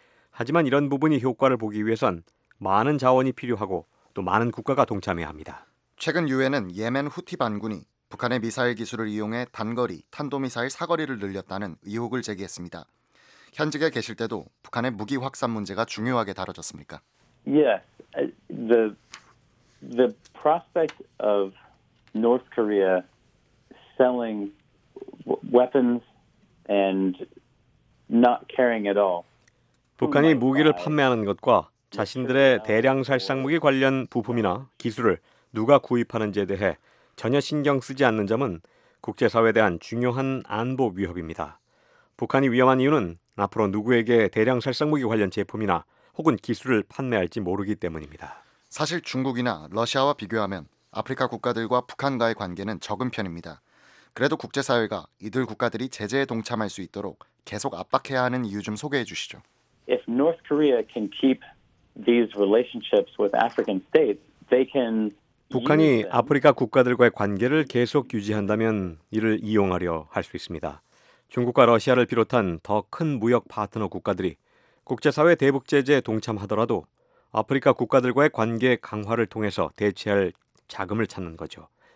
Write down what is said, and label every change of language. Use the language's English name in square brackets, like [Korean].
[Korean] 하지만 이런 부분이 효과를 보기 위해선 많은 자원이 필요하고 또 많은 국가가 동참해야 합니다. 최근 유엔은 예멘 후티 반군이 북한의 미사일 기술을 이용해 단거리, 탄도미사일 사거리를 늘렸다는 의혹을 제기했습니다. 현직에 계실 때도 북한의 무기 확산 문제가 중요하게 다뤄졌습니까? [English] The prospect of North Korea selling weapons and not caring at all. [Korean] 북한이 무기를 판매하는 것과 자신들의 대량 살상 무기 관련 부품이나 기술을 누가 구입하는지에 대해 전혀 신경 쓰지 않는 점은 국제사회에 대한 중요한 안보 위협입니다. 북한이 위험한 이유는 앞으로 누구에게 대량 살상 무기 관련 제품이나 혹은 기술을 판매할지 모르기 때문입니다. 사실 중국이나 러시아와 비교하면 아프리카 국가들과 북한과의 관계는 적은 편입니다. 그래도 국제사회가 이들 국가들이 제재에 동참할 수 있도록 계속 압박해야 하는 이유 좀 소개해 주시죠. [English] If North Korea can keep these relationships with African states, they can [Korean] 북한이 아프리카 국가들과의 관계를 계속 유지한다면 이를 이용하려 할 수 있습니다. 중국과 러시아를 비롯한 더 큰 무역 파트너 국가들이 국제사회 대북 제재에 동참하더라도 아프리카 국가들과의 관계 강화를 통해서 대체할 자금을 찾는 거죠.